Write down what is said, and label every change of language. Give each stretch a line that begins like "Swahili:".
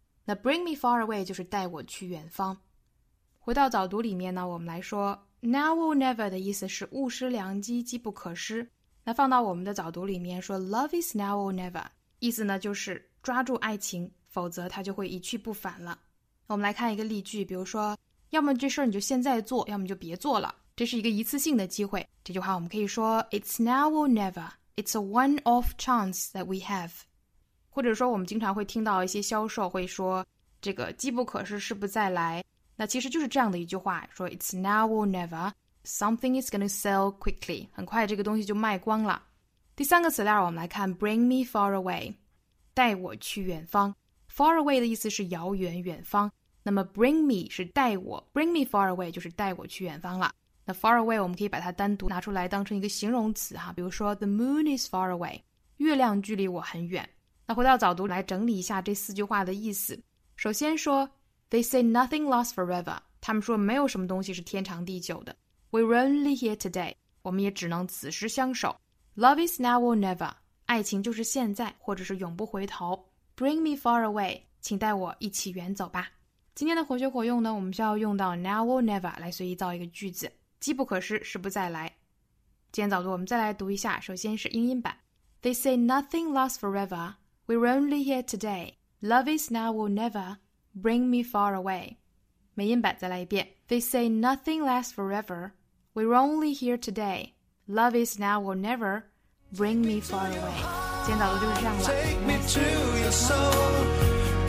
Chinese: 那
English: Bring me far away
Chinese: 就是带我去远方。回到早读里面呢，我们来说
English: Now or never
Chinese: 的意思是物失良机，机不可失。那放到我们的早读里面说
English: Love is now or never，
Chinese: 意思呢就是抓住爱情，否则他就会一去不返了。我们来看一个例句，比如说要么这事儿你就现在做，要么就别做了，这是一个一次性的机会。这句话我们可以说
English: It's now or never, It's a one-off chance that we have。
Chinese: 或者说我们经常会听到一些销售会说这个机不可失，失不再来，那其实就是这样的一句话，说
English: It's now or never, Something is gonna sell quickly，
Chinese: 很快这个东西就卖光了。第三个词链我们来看
English: Bring me far away，
Chinese: 带我去远方。
English: Far away
Chinese: 的意思是遥远，远方。那么
English: bring me
Chinese: 是带我，
English: bring me far away
Chinese: 就是带我去远方了。那
English: far away
Chinese: 我们可以把它单独拿出来当成一个形容词哈，比如说
English: the moon is far away，
Chinese: 月亮距离我很远。那回到早读来整理一下这四句话的意思。首先说
English: they say nothing lasts forever，
Chinese: 他们说没有什么东西是天长地久的。
English: We're only here today，
Chinese: 我们也只能此时相守。
English: Love is now or never，
Chinese: 爱情就是现在，或者是永不回头。
English: Bring me far away，
Chinese: 请带我一起远走吧。今天的活学活用呢，我们需要用到
English: now or never
Chinese: 来随意造一个句子，机不可失，失不再来。今天早读我们再来读一下，首先是英音版。
English: They say nothing lasts forever, we're only here today. Love is now or never, bring me far away.
Chinese: 美音版再来一遍。
English: They say nothing lasts forever, we're only here today. Love is now or never, bring me far away. Take me to your soul.